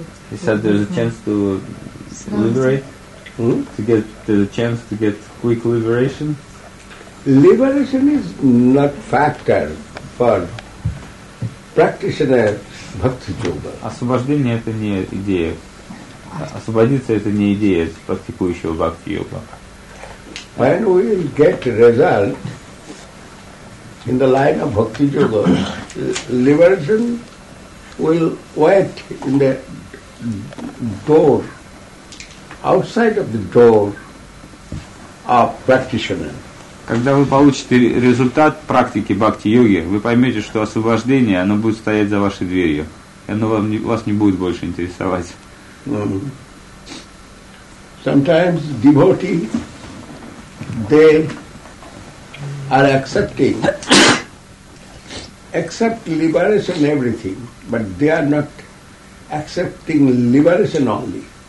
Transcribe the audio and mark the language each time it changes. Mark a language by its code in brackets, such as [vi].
[en] He said there's a chance to liberate, to get quick liberation. Liberation is not factor for practitioner. [ru] Освобождение это не идея. Освободиться это не идея практикующего бхакти йога. When we will get result in the line of bhakti yoga, liberation will wait in the door, outside of the door of practitioner. Когда вы получите результат практики бхакти-йоги, вы поймете, что освобождение, оно будет стоять за вашей дверью. И оно вас не будет больше интересовать. Mm-hmm. [en] Sometimes devotees, they are accepting, accept liberation everything, but they are not accepting liberation only.